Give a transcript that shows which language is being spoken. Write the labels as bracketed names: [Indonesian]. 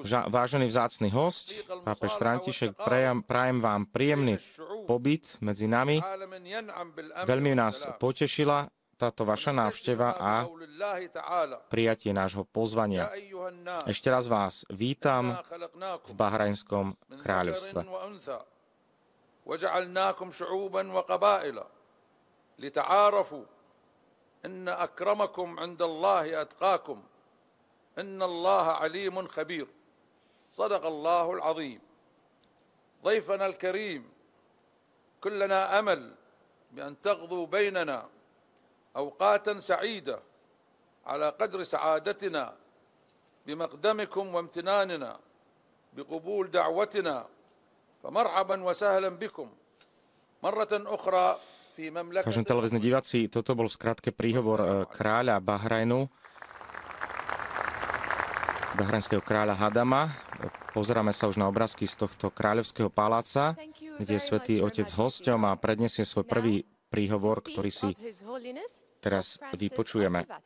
[Slovak] Vážený vzácny host, pápež František, prajem vám príjemný pobyt medzi nami. Veľmi nás potešila táto vaša návšteva a prijatie nášho pozvania. Ešte raz vás vítam v Bahrajnskom kráľovstve. [Arabic] وجعلناكم شعوبا وقبائل لتعارفوا ان اكرمكم عند الله اتقاكم ان الله عليم خبير صدق الله العظيم ضيفنا الكريم كلنا امل بان تقضوا بيننا اوقاتا سعيده على قدر سعادتنا بمقدمكم وامتناننا بقبول دعوتنا فمرحباً وسهلاً بكم مرة أخرى في مملكة. [Slovak] Vážení televízni diváci, toto bol v skratke príhovor kráľa Bahrajnu, bahrajnského kráľa Hadama. Pozeráme sa už na obrázky z tohto kráľovského paláca, kde je svätý otec hosťom a predniesie svoj prvý príhovor, ktorý si teraz vypočujeme.